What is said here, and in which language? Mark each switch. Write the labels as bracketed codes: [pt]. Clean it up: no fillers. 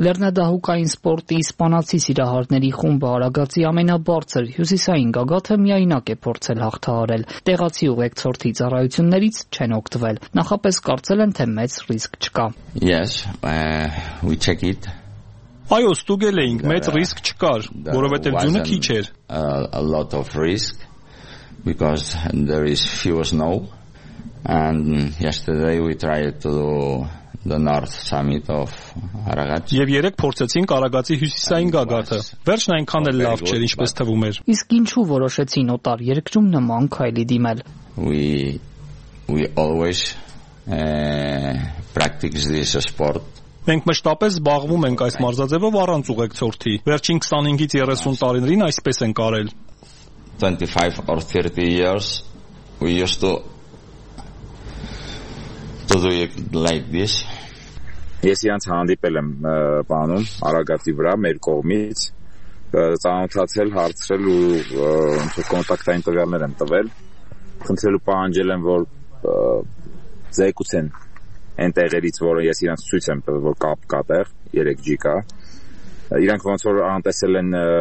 [hy] Լեռնադահուկային սպորտի իսպանացի սիրահարների խումբը Արագածի ամենաբարձր հյուսիսային գագաթը միայնակ է փորձել հաղթահարել։ Տեղացի ուղեկցորդի ծառայություններից չեն օգտվել։ Նախապես կարծել են, թե մեծ ռիսկ չկա։ [en] Yes, we check it. [hy] Այո, ստուգել էինք, մեծ ռիսկ չկար, որովհետև ձյունը քիչ էր։ [en] A lot of risk because there is few snow. And yesterday we tried to do the north summit of Aragats. [hy] Եվ երեք փորձեցինք Արագածի հյուսիսային գագաթը։ Վերջն այնքան էլ լավ չէր, ինչպես թվում էր։ Իսկ ինչու որոշեցին օտար երկրում նման քայլի դիմել։ [en] We always practice this sport. [hy] Մենք մշտապես զբաղվում ենք այս մարզաձևով առանց ուղեկցորդի։ Վերջին 25-ից 30 տարիներին այսպես ենք արել։ [en] 25 or 30 years we used to do it like this. [hy] Ես իրանց հանդիպել եմ պանում Արագատի վրա մեր կողմից, ծանոթացել, հարցրել ու կոնտակտային տվյալներ եմ տվել, խնդրելու պահանջել եմ, որ զեկուցեն այն տեղերից, որ ես իրանց ցույց եմ տվել, որ կապ կա տեղ, 3G կա, իրանք ոնց որ անտեսել են